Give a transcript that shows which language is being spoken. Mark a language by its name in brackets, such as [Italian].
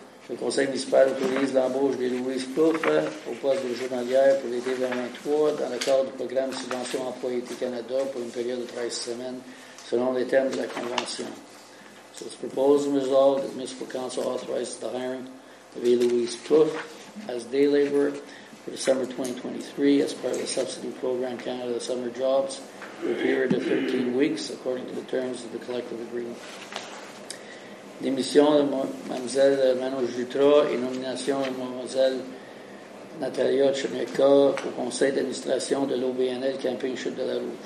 [French] Le conseil municipal autorise l'embauche de Louise Couffe au poste de journalière pour l'été 2023 dans le cadre du programme Subvention Emploi Été Canada pour une période de 13 semaines selon les termes de la convention. [English] So it's proposed and resolved that the municipal council authorizes the hiring of Louise Couffe as day laborer for December 2023 as part of the subsidy program Canada Summer Jobs for a period of 13 weeks according to the terms of the collective agreement. [French] Démission de Mlle Manon Jutras et nomination de Mlle Natalia Cheneka au conseil d'administration de l'OBNL Camping Chute de la Rouge.